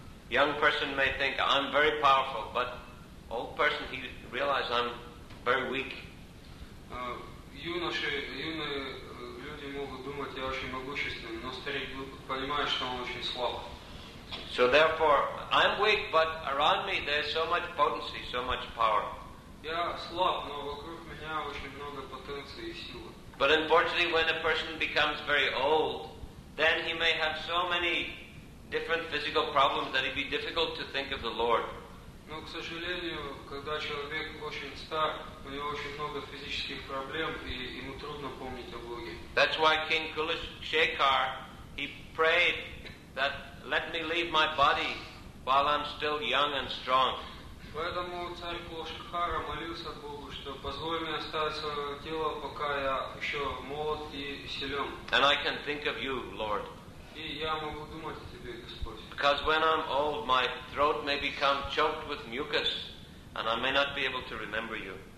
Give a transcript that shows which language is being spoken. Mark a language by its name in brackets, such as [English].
[English] Young person may think I'm very powerful, but old person he realizes I'm very weak. [Russian] Юные люди могут думать я очень могущественный, но старик понимает, что он очень слаб. [English] So therefore, I'm weak, but around me there's so much potency, so much power. [Russian] Я слаб, но вокруг меня очень много потенции и силы. [English] But unfortunately, when a person becomes very old, then he may have so many different physical problems that it'd be difficult to think of the Lord. [Russian] Но, к сожалению, когда человек очень стар, у него очень много физических проблем, и ему трудно помнить о Боге. [English] That's why King Kulishekar, he prayed that let me leave my body while I'm still young and strong. [Russian] Поэтому царь Кулишахара молился Богу, что позволь мне оставить свое тело, пока я еще молод и силен. [English] And I can think of you, Lord. [Russian] И я могу думать о тебе, Господь. [English] Because when I'm old, my throat may become choked with mucus, and I may not be able to remember you.